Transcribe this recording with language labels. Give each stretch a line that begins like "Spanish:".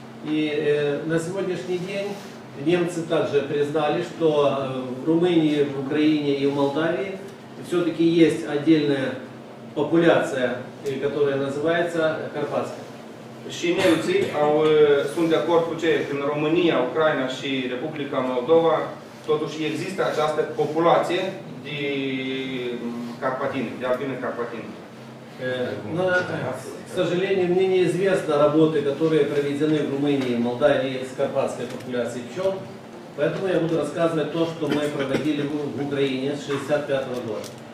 Russian: И на сегодняшний день немцы также признали, что в Румынии, в Украине и в Молдавии все-таки есть отдельная популяция, которая называется карпатская.
Romanian: Și nemții sunt de acord cu ce în România, Ucraina și Republica Moldova, totuși există această populație de carpatine, de albine carpatine.
Russian: Но, к сожалению, мне неизвестно работы, которые проведены в Румынии, Молдавии с карпатской популяцией пчел, поэтому я буду рассказывать то, что мы проводили в Украине с 65-го года.